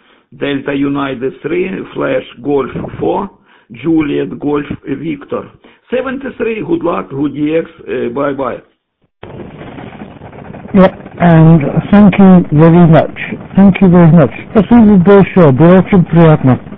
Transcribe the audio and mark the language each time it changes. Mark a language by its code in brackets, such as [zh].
[ru] Дельта Юнайтед 3, Флэш, Гольф, Фо, Джулиет, Гольф, Виктор. [en] 73, good luck, good EX, bye-bye. Yeah, and thank you very much. Thank you very much. [ru] Спасибо большое, было очень приятно.